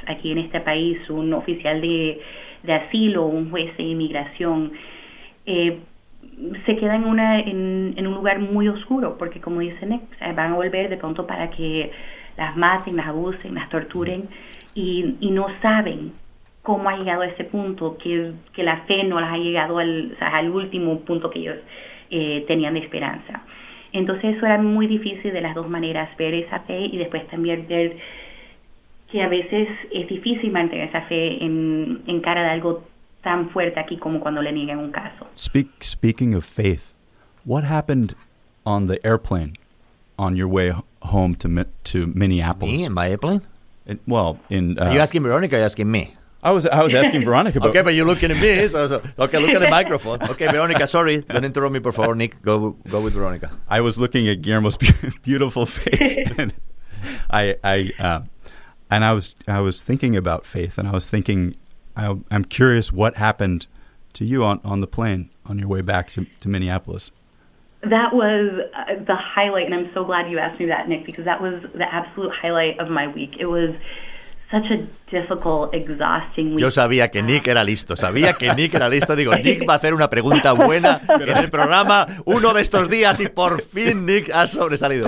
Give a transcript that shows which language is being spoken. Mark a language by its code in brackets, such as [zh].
[es] Aquí en este país, un oficial de asilo, un juez de inmigración, se queda en un lugar muy oscuro, porque como dice Nick, van a volver de pronto para que las maten, las abusen, las torturen, y no saben cómo ha llegado a ese punto, que la fe no las ha llegado al último punto que ellos tenían de esperanza. Entonces eso era muy difícil de las dos maneras, ver esa fe y después también ver que a veces es difícil mantener esa fe en cara de algo tan fuerte aquí como cuando le niegan un caso. [en] Speaking of faith, what happened on the airplane on your way home to Minneapolis? Me? In my airplane? Are you asking Veronica or are you asking me? I was asking Veronica. But okay, but you're looking at me. So, look at the microphone. Okay, Veronica, sorry. Don't interrupt me, [es] por favor, [en] Nick. Go with Veronica. I was looking at Guillermo's beautiful face. And I was thinking about faith, and I was thinking, I'm curious what happened to you on the plane on your way back to Minneapolis. That was the highlight, and I'm so glad you asked me that, Nick, because that was the absolute highlight of my week. It was such a difficult, exhausting week. [es] Yo sabía que Nick era listo. Sabía que Nick era listo. Digo, Nick va a hacer una pregunta buena en el programa uno de estos días y por fin Nick ha sobresalido.